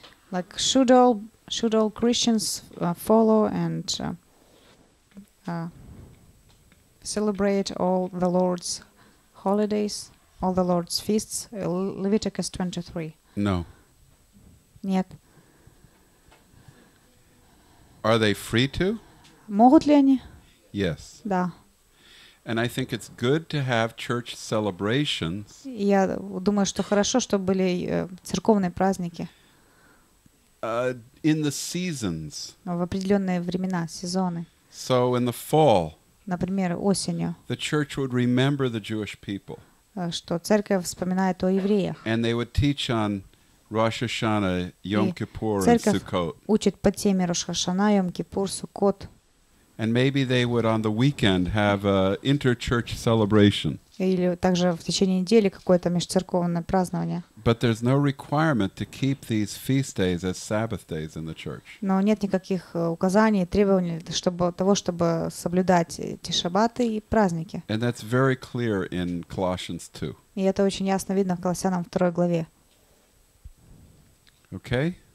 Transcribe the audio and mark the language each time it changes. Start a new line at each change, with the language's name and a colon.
English: Like should all Christians follow and celebrate all the Lord's holidays, all the Lord's feasts? Leviticus 23. No.
Russian: Нет.
English: Are they free to?
Russian: Могут ли они?
English: Yes.
Russian: Да.
English: And I think it's good to have church celebrations.
Russian: Я думаю, что хорошо, чтобы были церковные праздники.
English: In the seasons.
Russian: В определенные времена, сезоны.
English: So in the fall.
Russian: Например, осенью.
English: The church would remember the Jewish people.
Russian: Что церковь вспоминает о евреях.
English: And they would teach on Rosh Hashanah, Yom Kippur, and Sukkot.
Russian: Учит по теме Рош Хашана, Йом Кипур, Суккот.
English: And maybe they would on the weekend have an inter-church celebration.
Russian: Или также в течение недели какое-то межцерковное празднование.
English: But there's no requirement to keep these feast days as Sabbath days in the church.
Russian: Но нет никаких указаний, требований, чтобы соблюдать эти шабаты и праздники.
English: And that's very clear in Colossians 2.
Russian: И это очень ясно видно в Колоссянам 2 главе.
English: Okay.